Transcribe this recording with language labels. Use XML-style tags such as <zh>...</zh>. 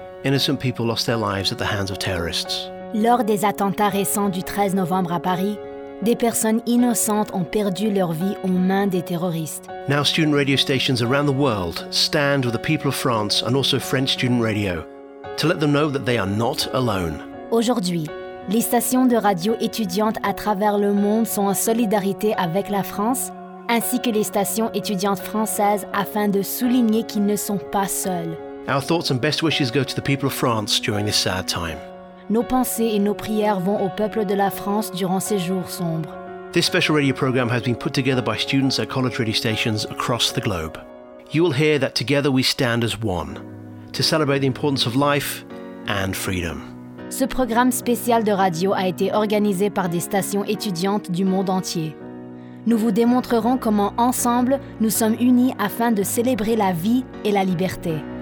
<en>Innocent people lost their lives at the hands of terrorists.</en> <fr>Lors des attentats récents du 13 novembre à Paris, des personnes innocentes ont perdu leur vie aux mains des terroristes.</fr> <en>Now student radio stations around the world stand with the people of France and also French student radio to let them know that they are not alone.</en> <fr>Aujourd'hui, les stations de radio étudiantes à travers le monde sont en solidarité avec la France ainsi que les stations étudiantes françaises afin de souligner qu'ils ne sont pas seuls.</fr> <en>Our thoughts and best wishes go to the people of France during this sad time.</en> <fr>Nos pensées et nos prières vont au peuple de la France durant ces jours sombres.</fr> <en>This special radio program has been put together by students at college radio stations across the globe. You will hear that together we stand as one to celebrate the importance of life and freedom.</en> <fr>Ce programme spécial de radio a été organisé par des stations étudiantes du monde entier. Nous vous démontrerons comment, ensemble, nous sommes unis afin de célébrer la vie et la liberté.</fr>